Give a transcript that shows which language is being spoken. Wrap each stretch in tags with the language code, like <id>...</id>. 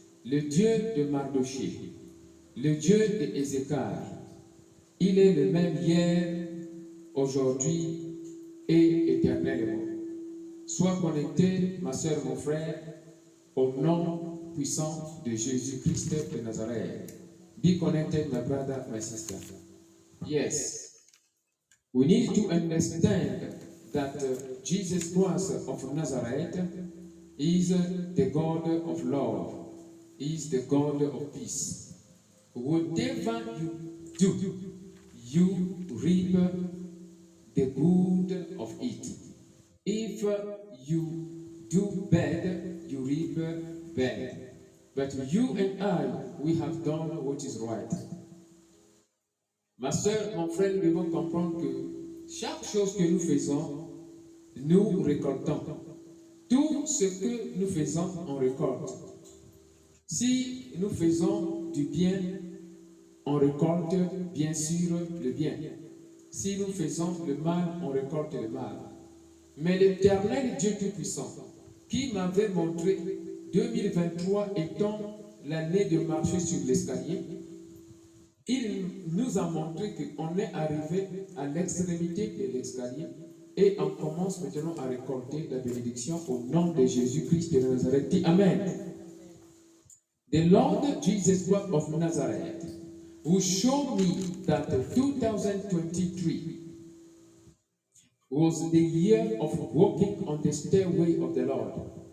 <fr>Le Dieu de Mardoché, le Dieu de Ézéchiel, il est le même hier, aujourd'hui et éternellement. Sois connecté, ma sœur, mon frère, au nom puissant de Jésus-Christ de Nazareth.</fr> <en>Be connected, my brother, my sister. Yes. We need to understand that Jesus Christ of Nazareth is the God of love, is the God of peace. Whatever you do, you reap the good of it. If you do bad, you reap bad. But you and I, we have done what is right.</en> <fr>Ma soeur, mon frère, devons comprendre que chaque chose que nous faisons, nous récoltons. Tout ce que nous faisons, on récolte. Si nous faisons du bien, on récolte bien sûr le bien. Si nous faisons le mal, on récolte le mal. Mais l'Éternel Dieu Tout-Puissant, qui m'avait montré 2023 étant l'année de marcher sur l'escalier, il nous a montré qu'on est arrivé à l'extrémité de l'escalier et on commence maintenant à récolter la bénédiction au nom de Jésus-Christ de Nazareth. Dis Amen.</fr> <en>The Lord Jesus Christ of Nazareth who showed me that 2023 was the year of walking on the stairway of the Lord.</en>